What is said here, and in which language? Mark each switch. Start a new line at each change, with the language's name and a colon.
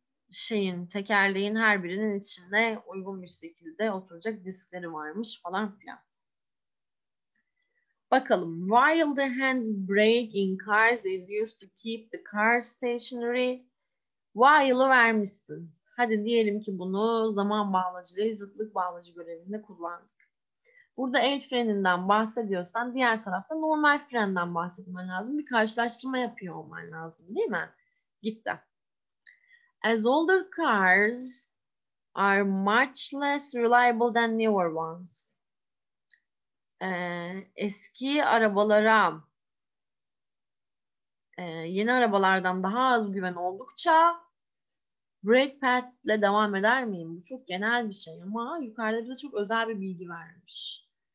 Turkish: Şeyin tekerleğin her birinin içinde uygun bir şekilde oturacak diskleri varmış falan filan. Bakalım.
English: While the hand brake in cars is used to keep the car stationary,
Turkish: while'ı vermişsin. Hadi diyelim ki bunu zaman bağlacı değil, zıtlık bağlacı görevinde kullandık. Burada el freninden bahsediyorsan diğer tarafta normal frenden bahsetmen lazım. Bir karşılaştırma yapıyor olman lazım, değil mi? Gitti.
English: As older cars are much less reliable than newer ones.
Turkish: Eski arabalara yeni arabalardan daha az güven oldukça brake pad ile devam eder miyim? Bu çok genel bir şey ama yukarıda bize çok özel bir bilgi vermiş.